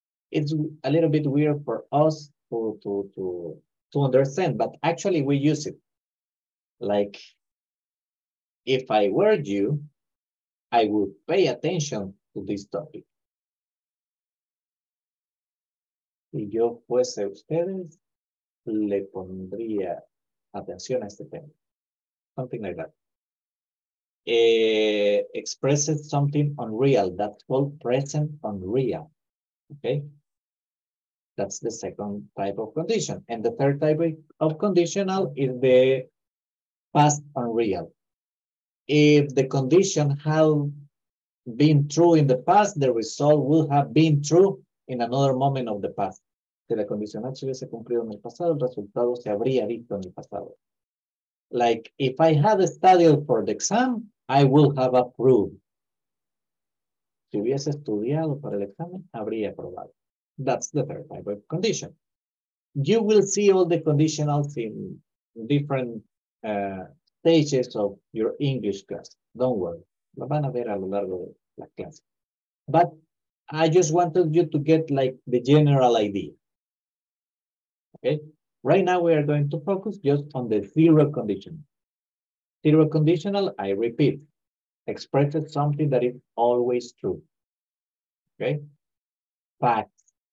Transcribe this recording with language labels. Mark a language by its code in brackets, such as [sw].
[en] It's a little bit weird for us to understand, but actually we use it. Like, if I were you, I would pay attention to this topic. [es] Si yo fuese ustedes, le pondría atención a este tema. [en] Something like that. Expresses something unreal. That's called present unreal. Okay? That's the second type of condition. And the third type of conditional is the past unreal. If the condition had been true in the past, the result will have been true in another moment of the past. [es] Si la condicional se hubiese cumplido en el pasado, el resultado se habría visto en el pasado. [en] Like, if I had studied for the exam, I will have approved. [es] Si hubiese estudiado para el examen, habría aprobado. [en] That's the third type of condition. You will see all the conditionals in different stages of your English class. Don't worry. [es] La van a ver a lo largo de la clase. [en] But I just wanted you to get like the general idea. Okay? Right now we are going to focus just on the zero condition. The reconditional, I repeat, expresses something that is always true. Okay? Facts.